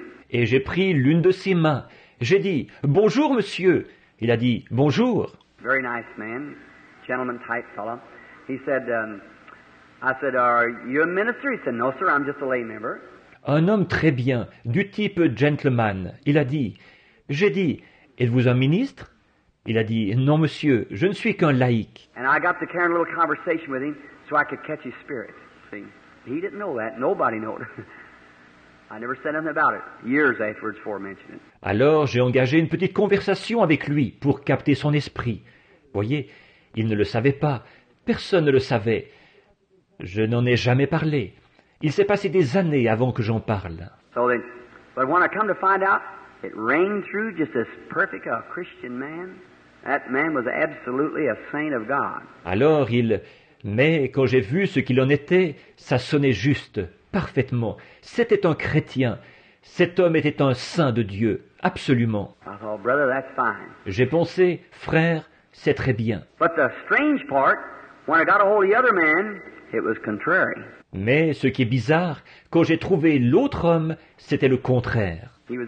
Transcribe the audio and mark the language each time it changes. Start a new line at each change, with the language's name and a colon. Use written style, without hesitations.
French: Et j'ai pris l'une de ses mains. J'ai dit, bonjour monsieur. Il a dit, bonjour.
English: Very nice man, gentleman type fellow. He said, I said, are you a minister? He said, no sir, I'm just a lay member.
French: Un homme très bien, du type gentleman. Il a dit, j'ai dit, êtes-vous un ministre? Il a dit, non monsieur, je ne suis qu'un laïc.
English: And I got to carry a little conversation with him so I could catch his spirit. See, he didn't know that. Nobody knew it. I never said anything about it. Years afterwards before mentioning it.
French: Alors, j'ai engagé une petite conversation avec lui pour capter son esprit. Voyez, il ne le savait pas. Personne ne le savait. Je n'en ai jamais parlé. Il s'est passé des années avant que j'en parle.
English: So then, but when I come to find out, it rained through just as perfect a Christian man. That man was absolutely a saint of God.
French: Alors il, mais quand j'ai vu ce qu'il en était, ça sonnait juste, parfaitement. C'était un chrétien. Cet homme était un saint de Dieu, absolument.
English: I thought, brother, that's fine.
French: J'ai pensé, frère, c'est très bien.
English: But the strange part, when I got a hold of the other man, it was contrary.
French: Mais ce qui est bizarre, quand j'ai trouvé l'autre homme, c'était le contraire.